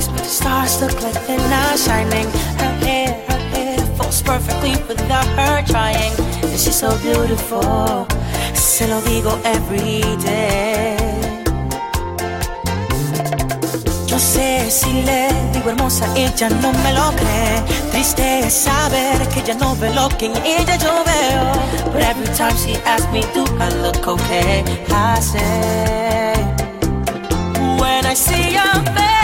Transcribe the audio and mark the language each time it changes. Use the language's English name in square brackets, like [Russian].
[English] stars look like they're not shining. Her hair falls perfectly without her trying. And she's so beautiful, [Spanish] se lo digo [English] every day. [Spanish] Yo sé si le digo hermosa y ella no me lo cree. Triste es saber que ella no ve lo que en ella yo veo. [English] But every time she asks me, do I look okay? I say, when I see your face,